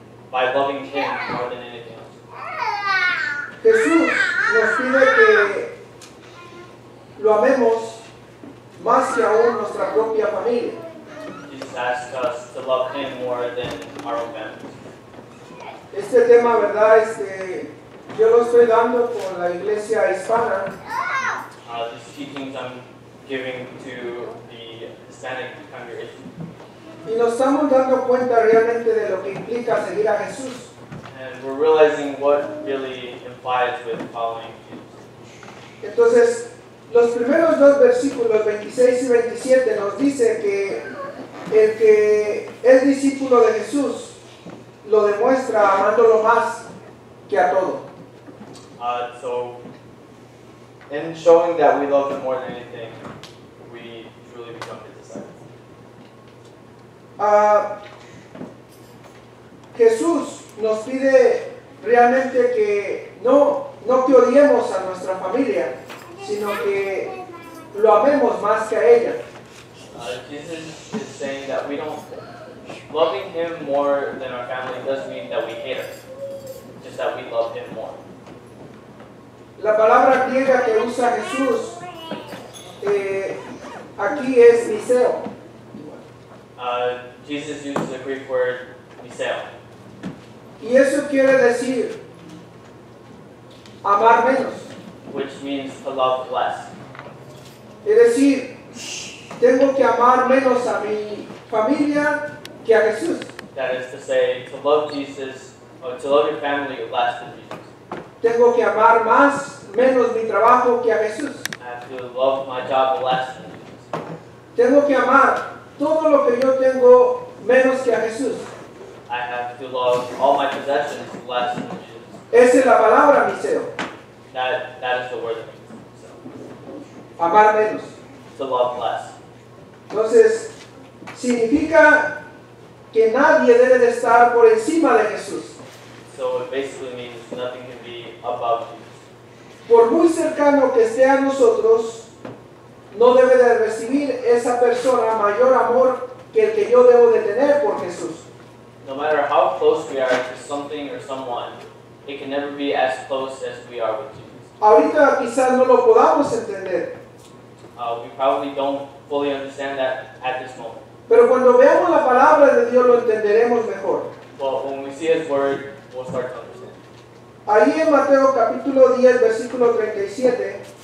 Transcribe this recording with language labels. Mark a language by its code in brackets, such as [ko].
[en] By loving him more than anything else. [es] Jesús nos pide que lo amemos más que aún nuestra propia familia. [en] Jesus asks us to love him more than our own families. [es] Este tema, verdad, yo lo estoy dando con la iglesia hispana. [en] These teachings I'm giving to the Hispanic congregation. [es] Y nos estamos dando cuenta realmente de lo que implica seguir a Jesús. [en] And we're realizing what really implies with following Jesus. [es] Entonces, los primeros dos versículos, 26 y 27, nos dice que el que es discípulo de Jesús lo demuestra amándolo más que a todo. [en] So, in showing that we love him more than anything, we truly become his disciples. [es] Jesús nos pide realmente que no que odiemos a nuestra familia, sino que lo amemos más que a ella. [en] Jesus is saying that we don't, loving him more than our family doesn't mean that we hate us, just that we love him more. [es] La palabra griega que usa Jesús aquí es miseo. [en] Jesus uses the Greek word miseo. [es] Y eso quiere decir amar menos. [en] Which means to love less. [es] Es decir, tengo que amar menos a mi familia que a Jesús. [en] That is to say, to love Jesus, or to love your family less than Jesus. [es] Tengo que amar más, menos mi trabajo que a Jesús. [en] I have to love my job less than Jesus. [es] Tengo que amar todo lo que yo tengo menos que a Jesús. [en] I have to love all my possessions less than Jesus. [es] Esa es la palabra, miseo. [en] That is the word that means. So. [es] Amar menos. [en] To love less. [es] Entonces, significa que nadie debe de estar por encima de Jesús. [en] So it basically means nothing can be above Jesus. [es] Por muy cercano que esté a nosotros, no debe de recibir esa persona mayor amor que el que yo debo de tener por Jesús. [en] No matter how close we are to something or someone, it can never be as close as we are with Jesus. [es] Ahorita quizás no lo podamos entender. [en] We probably don't fully understand that at this moment. [es] Pero cuando veamos la palabra de Dios lo entenderemos mejor. [en] Well, when we see his word, we'll start to understand. [es] Ahí en Mateo capítulo 10, versículo 37.